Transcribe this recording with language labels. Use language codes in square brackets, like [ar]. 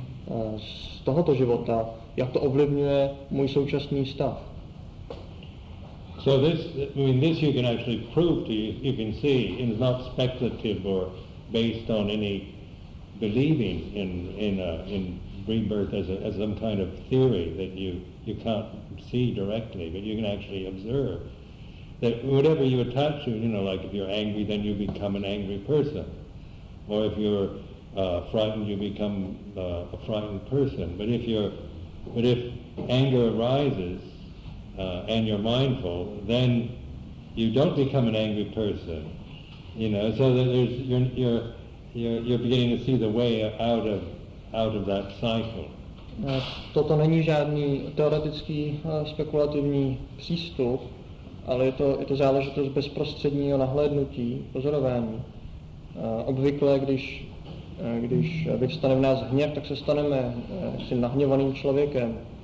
[cs] z tohoto života, jak to ovlivňuje můj současný stav. [en] So this, I mean, this you can actually prove to you, you can see, it's not speculative or based on any believing in rebirth as some kind of theory that you can't see directly, but you can actually observe that whatever you attach to, you know, like if you're angry, then you become an angry person, or if you're frightened, you become a frightened person. But if anger arises and you're mindful, then you don't become an angry person. You know, so that there's you're beginning to see the way out of that cycle. [cs] Toto není žádný teoretický spekulativní přístup, ale je to záležitost bezprostředního nahlédnutí, pozorování. Obvykle, když vyvstane v nás hněv, tak se staneme jaksi nahněvaným člověkem.